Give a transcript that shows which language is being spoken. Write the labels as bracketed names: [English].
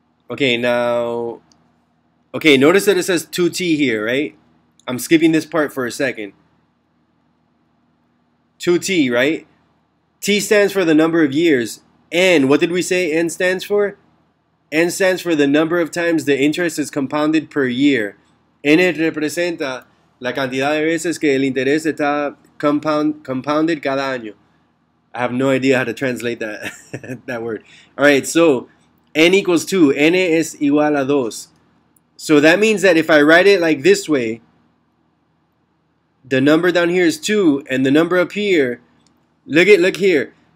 [English] Okay, notice that it says 2t here, right? I'm skipping this part for a second. 2t, right? T stands for the number of years. N, what did we say N stands for? N stands for the number of times the interest is compounded per year. [Spanish] N representa la cantidad de veces que el interés está compounded cada año. [English] I have no idea how to translate that that word. All right, so N equals 2. [Spanish] N es igual a 2. [English] So that means that if I write it like this way, the number down here is 2, and the number up here, look here.